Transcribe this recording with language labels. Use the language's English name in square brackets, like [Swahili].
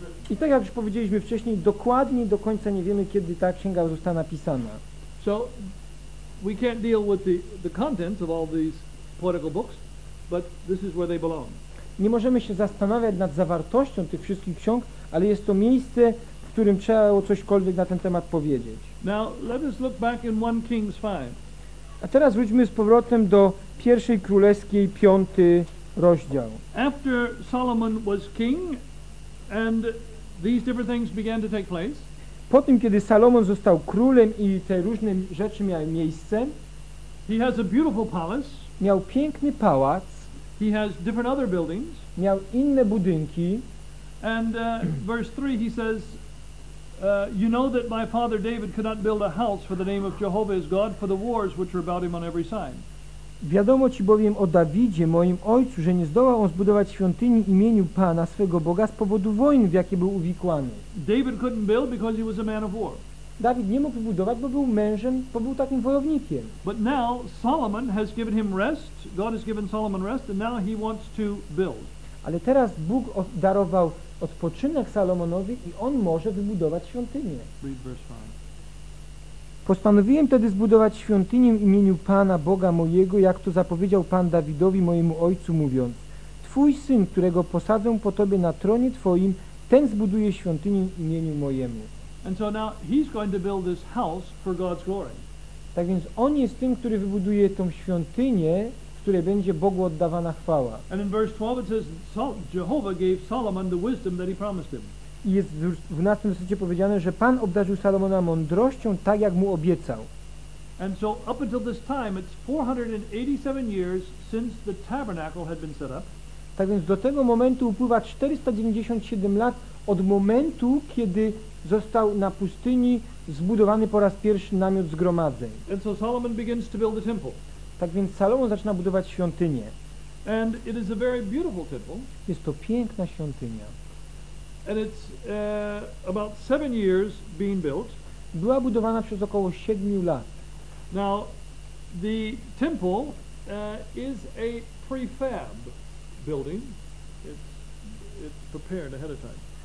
[Polish] I tak jak już powiedzieliśmy wcześniej, dokładnie do końca nie wiemy, kiedy ta księga została napisana. [English] So we can't deal with the contents of all these poetical books, but this is where they belong. [Polish] Nie możemy się zastanawiać nad zawartością tych wszystkich ksiąg, ale jest to miejsce, w którym trzeba cośkolwiek na ten temat powiedzieć. [English] Now let us look back in 1 Kings 5. [Polish] A teraz wróćmy z powrotem do pierwszej królewskiej, piąty rozdział. [English] After Solomon was king and these different things began to take place. [Polish] Po tym, kiedy Salomon został królem i te różne rzeczy miały miejsce, [English] he has a beautiful palace. [Polish] Miał piękny pałac. [English] He has different other buildings. [Polish] Miał inne budynki. [English] And verse 3 he says, you know that my father David could not build a house for the name of Jehovah his God for the wars which were about him on every side. [Polish] Wiadomo ci bowiem o Dawidzie, moim ojcu, że nie zdołał on zbudować świątyni imieniu Pana, swego Boga, z powodu wojen, w jakie był uwikłany. [English] David couldn't build because he was a man of war. [Polish] Dawid nie mógł budować, bo był mężem, bo był takim wojownikiem. [English] But now Solomon has given him rest. God has given Solomon rest and now he wants to build. [Polish] Ale teraz Bóg darował odpoczynek Salomonowi i on może wybudować świątynię. [English] Read verse 5. [Polish] Postanowiłem wtedy zbudować świątynię w imieniu Pana, Boga mojego, jak to zapowiedział Pan Dawidowi, mojemu ojcu, mówiąc: Twój syn, którego posadzę po Tobie na tronie Twoim, ten zbuduje świątynię w imieniu mojemu. [English] And so now he's going to build this house for God's glory. [Polish] Tak więc on jest tym, który wybuduje tą świątynię, w której będzie Bogu oddawana chwała. [English] And in verse 12 it says, Jehovah gave Solomon the wisdom that he promised him. [Polish] I jest w następnym wersecie powiedziane, że Pan obdarzył Salomona mądrością, tak jak mu obiecał. [English] And so up until this time it's 487 years since the tabernacle had been set up. [Polish] Tak więc do tego momentu upływa 497 lat od momentu, kiedy został na pustyni zbudowany po raz pierwszy namiot zgromadzeń. [English] And so Solomon begins to build the temple. [Polish] Tak więc Salomon zaczyna budować świątynię. [English] And it is a very beautiful temple. [Polish] Jest to piękna świątynia. [English] And it's about 7 years being built. [Polish] Była budowana przez około 7 lat. [English] Now the temple is a prefab building. It's prepared ahead of time.